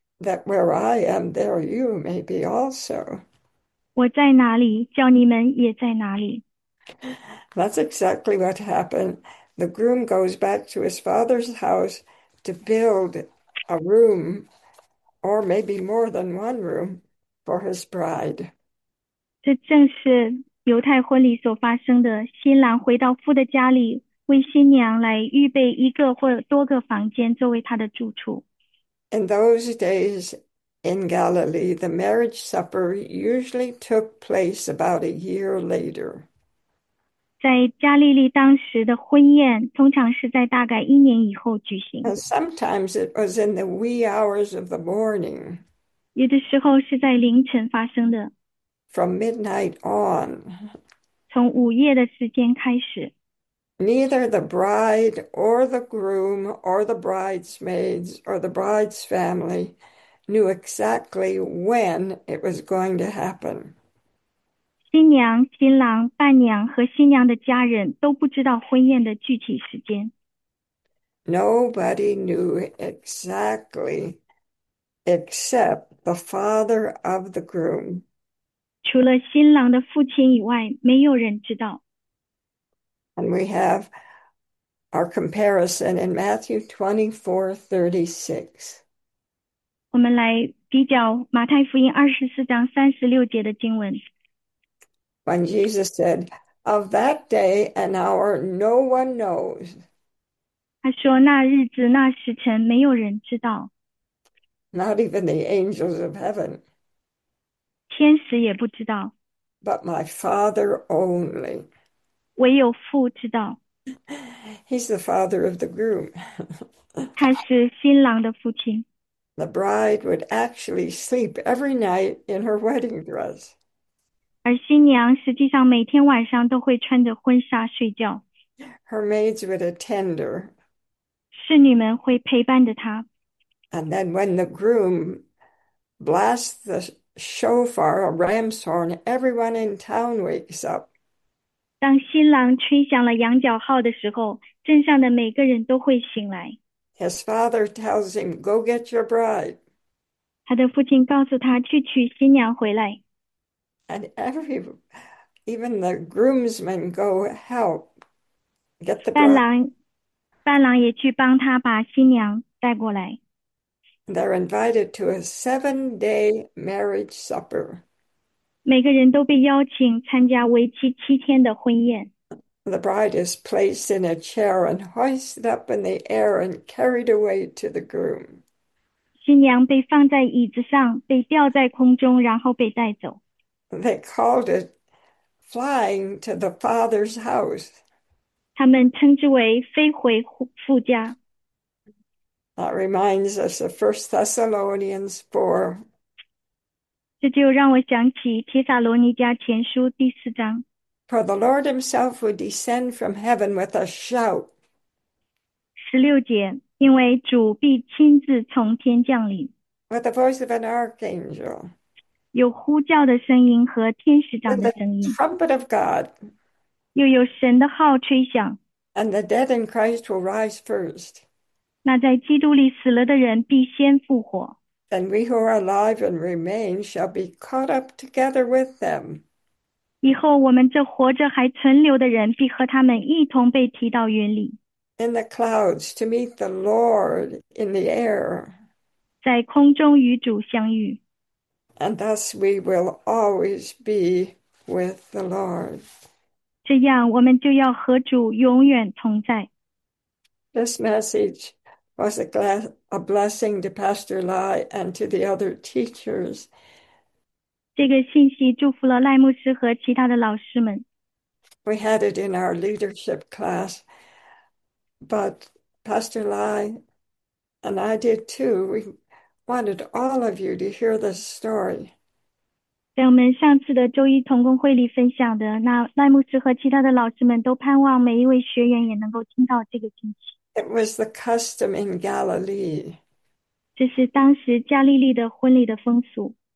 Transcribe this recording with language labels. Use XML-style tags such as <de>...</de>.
<en>That where I am, there you may be also.</en> <zh>我在哪里，叫你们也在哪里。</zh> <en>That's exactly what happened. The groom goes back to his father's house to build a room, or maybe more than one room, for his bride.</en> <zh>这正是犹太婚礼所发生的，新郎回到父的家里，为新娘来预备一个或多个房间作为他的住处。</zh> <en>In those days in Galilee, the marriage supper usually took place about a year later.</en> <zh>在加利利当时的婚宴通常是在大概1年以后举行，</zh> <en>And sometimes it was in the wee hours of the morning,</en> <zh>有的时候是在凌晨发生的。</zh> <en>from midnight on.</en> <zh>从午夜的时间开始，</zh> <en>Neither the bride or the groom or the bridesmaids or the bride's family knew exactly when it was going to happen.</en> <zh>新娘、新郎、伴娘和新娘的家人都不知道婚宴的具体时间。</zh> <en>Nobody knew exactly except the father of the groom.</en> <zh>除了新郎的父亲以外，没有人知道。</zh> <en>And we have our comparison in Matthew 24:36.</en> <zh>我们来比较马太福音24章36节的经文。</zh> <en>When Jesus said, "Of that day and hour, no one knows."</en> <zh>他说：“那日子、那时辰，没有人知道。”</zh> <en>Not even the angels of heaven,</en> <zh>天使也不知道，</zh> <en>but my Father only.</en> <zh>唯有父知道，</zh> <en>He's the father of the groom.</en> <zh>他是新郎的父亲。</zh> <en>The bride would actually sleep every night in her wedding dress.</en> <zh>而新娘实际上每天晚上都会穿着婚纱睡觉，</zh> <en>Her maids would attend her.</en> <zh>侍女们会陪伴着她。</zh> <en>And then when the groom blasts the shofar, a ram's horn, everyone in town wakes up.</en> <zh>当新郎吹响了羊角号的时候，镇上的每个人都会醒来。</zh> <en>His father tells him, "Go get your bride."</en> <zh>他的父亲告诉他去娶新娘回来。</zh> <en>And even the groomsmen go help get the bride.</en> <zh>伴郎也去帮他把新娘带过来。</zh> <en>They're invited to a 7-day marriage supper.</en> <zh>每个人都被邀请参加为期7天的婚宴。</zh> <en>The bride is placed in a chair and hoisted up in the air and carried away to the groom.</en> <zh>新娘被放在椅子上，被吊在空中，然后被带走。</zh> <en>They called it flying to the father's house.</en> <zh>他们称之为飞回父家。</zh> <en>That reminds us of 1 Thessalonians 4.</en> <zh>这就让我想起《帖撒罗尼迦前书》第四章。</zh> <en>For the Lord himself would descend from heaven with a shout.</en> <zh>16节，因为主必亲自从天降临，</zh> <en>With the voice of an archangel.</en> <zh>有呼叫的声音和天使长</zh> <en>With</en> <zh>的</zh> <en>the</en> <zh>声音，</zh> <en>trumpet of God.</en> <zh>又有神的号吹响。</zh> <en>And the dead in Christ will rise first.</en> <zh>那在基督里死了的人必先复活。</zh> <en>Then we who are alive and remain shall be caught up together with them.</en> <zh>以后我们这活着还存留的人必和他们一同被提到云里。</zh> <en>In the clouds to meet the Lord in the air.</en> <zh>在空中与主相遇。</zh> <en>And thus we will always be with the Lord.</en> <zh>这样，我们就要和主永远同在。</zh> <en>This message was a blessing to Pastor Lai and to the other teachers.</en> <zh>这个信息祝福了赖牧师和其他的老师们。</zh> <en>We had it in our leadership class. But Pastor Lai and I did too. We wanted all of you to hear this story.</en> <zh>在我们上次的周一同工会里分享的，那赖牧师和其他的老师们都盼望每一位学员也能够听到这个信息。</zh> <en>It was the custom in Galilee.</en> <zh>这是当时加利利的婚礼的风俗，</zh>